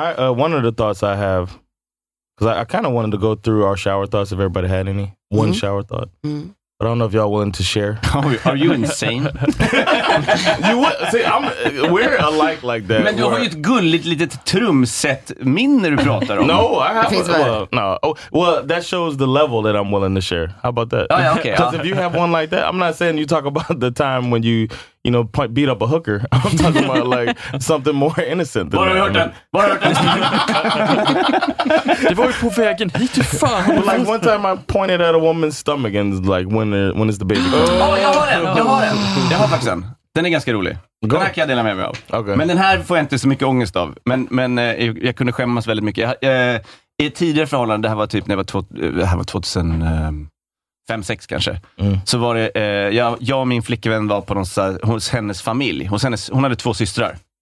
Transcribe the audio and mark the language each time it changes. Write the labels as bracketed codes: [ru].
[en] One of the thoughts I have, because I kind of wanted to go through our shower thoughts, if everybody had any. One shower thought. But I don't know if y'all willing to share. Are you insane? We're alike like that. [sv] Men du har ju ett gulligt litet trumset minne du pratar om. [en] No, I have no. Oh, well, that shows the level that I'm willing to share. How about that? Oh, yeah, okay. Because if you have one like that, I'm not saying you talk about the time when you... You know, beat up a hooker. I'm talking about like something more innocent than that. [sv] Det var ju på vägen hit till fan. [en] Like one time I pointed at a woman's stomach and like when is the baby? [sv] Jag har den. Jag har faktiskt en. Den är ganska rolig. Den här kan jag dela med mig av. [en] Okay. [sv] Men den här får jag inte så mycket ångest av. Men jag kunde skämmas väldigt mycket. I ett tidigare förhållande, det här var typ när jag var 2000. 5-6 kanske. Så var det jag och min flickvän var på någon sån, hos hennes familj. Hon hade 2 systrar.